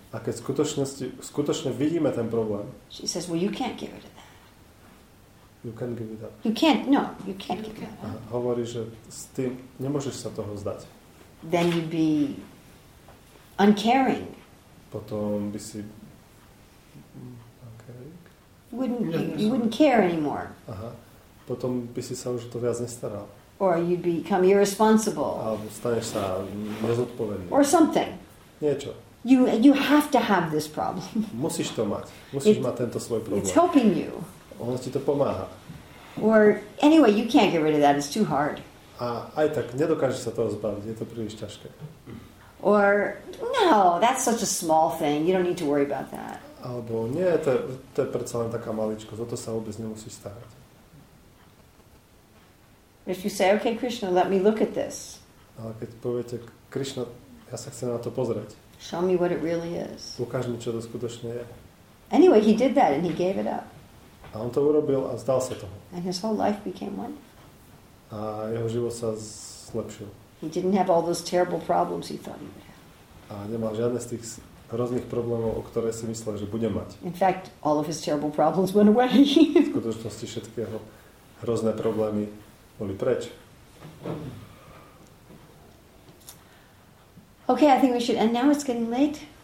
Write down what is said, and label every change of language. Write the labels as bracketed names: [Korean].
[Slovak] A keď skutočne vidíme ten problém. [English] She says, well, you can't give it up. You can't give it up. You can't, no, you can't give it up. [Slovak] A hovorí, že s tým nemôžeš sa toho zdať. [English] Then you'd be uncaring. [Slovak] Potom by si [English] wouldn't care anymore. [Slovak] Aha. Potom by si sa už to viac nestaral. [English] Or you'd become irresponsible. [Slovak] Alebo staneš sa nezodpovedný. [English] Or something. [Slovak] Niečo. [English] You have to have this problem. [Slovak] Musíš to mať. Musíš mať tento svoj problém. [English] It's helping you. [Slovak] Ono ti to pomáha. [English] Or anyway, you can't get rid of that. It's too hard. [Slovak] A aj tak nedokážeš sa toho zbaviť. Je to príliš ťažké. [English] Or no, that's such a small thing. You don't need to worry about that. [Slovak] Alebo nie, to je predsa len taká maličkosť. O to sa vôbec nemusíš starať. [English] If you say, okay, Krishna, let me look at this. [Slovak] Ale keď poviete, Krishna, ja sa chcem na to pozrieť. [English] Show me what it really is. [Slovak] Ukáž mi, čo to skutočne je. [English] Anyway, he did that and he gave it up. [Slovak] A on to urobil a zdal sa toho. [English] And his whole life became one. [Slovak] A jeho život sa zlepšil. [English] He didn't have all those terrible problems he thought he would have. [Slovak] A nemal žiadne z tých hrozných problémov, o ktoré si myslel, že bude mať. [English] In fact, all of his terrible problems went away. [Slovak] V skutočnosti všetky jeho hrozné problémy boli preč. [English] Okay, I think we should end now. It's getting late.